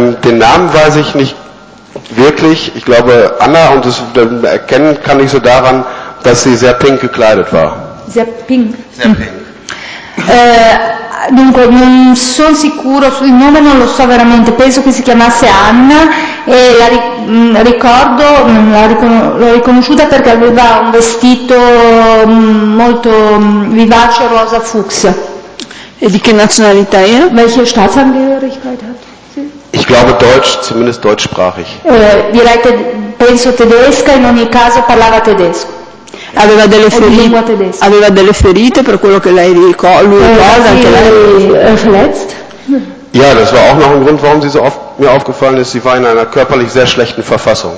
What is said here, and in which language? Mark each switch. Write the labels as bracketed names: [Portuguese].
[German] Den Namen weiß ich nicht. Wirklich, ich glaube Anna, und das erkennen kann ich so daran, dass sie sehr pink gekleidet war. Sehr pink. [Italian] Dunque, non sono sicuro, il nome non lo so veramente, penso che si chiamasse Anna e la ricordo, l'ho riconosciuta perché aveva un vestito molto vivace rosa fucsia. E di che nazionalità era? [German] Welche Staatsangehörigkeit hat? Ich glaube Deutsch, zumindest deutschsprachig. [Italian] Direte penso tedesca, in ogni caso parlava tedesco. Aveva delle ferite. Aveva delle ferite per quello che lei lui ricorda anche lei. [German] Verletzt? Ja, das war auch noch ein Grund, warum sie so oft mir aufgefallen ist. Sie war in einer körperlich sehr schlechten Verfassung.